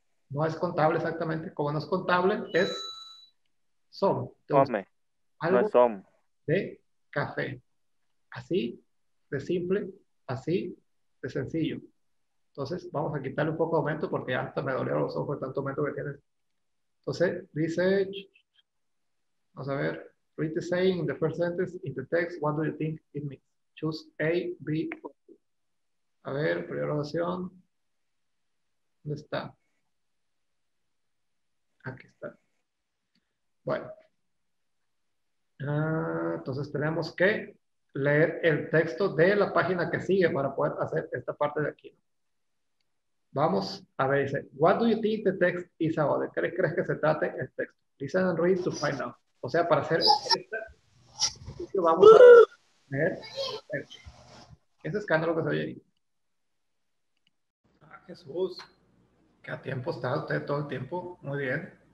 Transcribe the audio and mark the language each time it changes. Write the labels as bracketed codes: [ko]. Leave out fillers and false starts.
[es] No es contable exactamente. Como no es contable, es som. Algo no es som. De café. Así de simple, así de sencillo. Entonces, vamos a quitarle un poco de aumento porque ya hasta me dolieron los ojos de tanto aumento que tiene. Entonces, dice, vamos a ver, [en] read the saying in the first sentence in the text, what do you think it means? Choose A, B, O. [es] A ver, primera oración. ¿Dónde está? Aquí está. Bueno. Entonces tenemos que leer el texto de la página que sigue para poder hacer esta parte de aquí. Vamos a ver, dice, [en] what do you think the text is about? [es] ¿De qué crees que se trate el texto? [en] Listen and read to find out. [es] O sea, para hacer esta, vamos a leer el texto. Ese escándalo que se oye ahí. Ah, Jesús. Qué a tiempo está usted todo el tiempo. Muy bien.